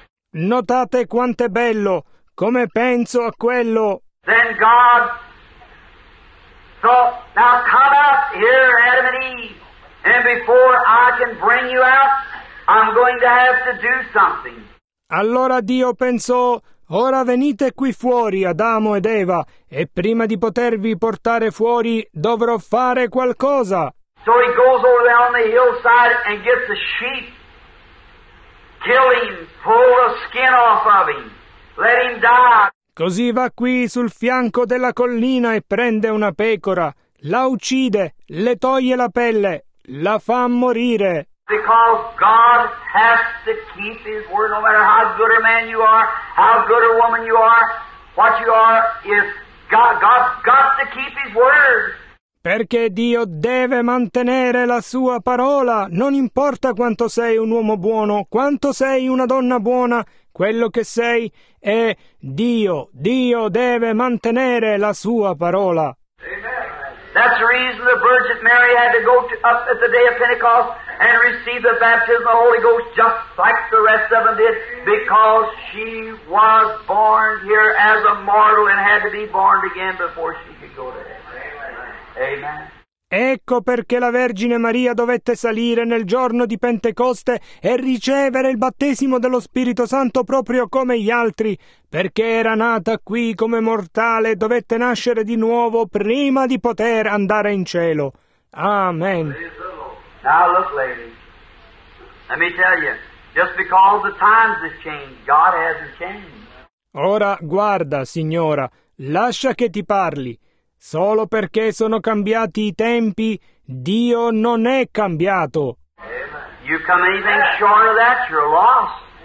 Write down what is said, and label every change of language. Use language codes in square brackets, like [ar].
[it] Notate quanto è bello, come penso a quello. [en] Then God. So, now come out here, Adam and Eve, and before I can bring you out, I'm going to have to do something. [it] Allora Dio pensò, ora venite qui fuori, Adamo ed Eva, e prima di potervi portare fuori, dovrò fare qualcosa. [en] So he goes over there on the hillside and gets a sheep, kill him, pull the skin off of him, let him die. [it] Così va qui sul fianco della collina e prende una pecora, la uccide, le toglie la pelle, la fa morire. [en] Because God has to keep his word, no matter how good a man you are, how good a woman you are, what you are, if God's got to keep his word. [it] Perché Dio deve mantenere la sua parola, non importa quanto sei un uomo buono, quanto sei una donna buona, quello che sei è Dio. Dio deve mantenere la sua parola. Amen. [en] That's the reason the Virgin Mary had to go up at the day of Pentecost and receive the baptism of the Holy Ghost just like the rest of them did, because she was born here as a mortal and had to be born again before she could go to heaven. Amen. [it] Ecco perché la Vergine Maria dovette salire nel giorno di Pentecoste e ricevere il battesimo dello Spirito Santo proprio come gli altri, perché era nata qui come mortale e dovette nascere di nuovo prima di poter andare in cielo. Amen. [en] Now look, ladies, let me tell you, just because the times have changed, God hasn't changed. [it] Ora guarda, signora, lascia che ti parli. Solo perché sono cambiati i tempi, Dio non è cambiato. [en] You come anything short of that, you're lost.